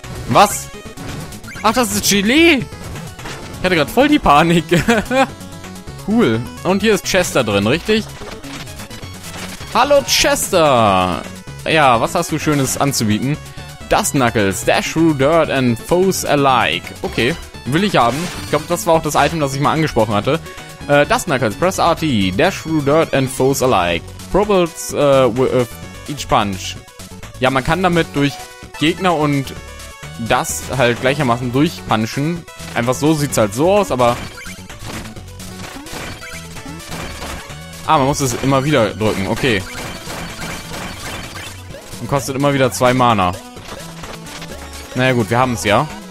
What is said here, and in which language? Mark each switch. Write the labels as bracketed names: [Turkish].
[German] Was? Ach, das ist Gelee. Ich hatte gerade voll die Panik. Cool. Und hier ist Chester drin, richtig? Hallo Chester! Ja, was hast du Schönes anzubieten? [English] Dust Knuckles, Dash Through Dirt and Foes Alike. [German] Okay, will ich haben. Ich glaube, das war auch das Item, das ich mal angesprochen hatte. [English] Dust Knuckles, Press RT, Dash Through Dirt and Foes Alike. Probables with each punch. [German] Ja, man kann damit durch Gegner und das halt gleichermaßen durchpunchen. Einfach so sieht's halt so aus, aber... Ah, man muss es immer wieder drücken, okay. Und kostet immer wieder 2 Mana. Naja gut, wir haben es ja.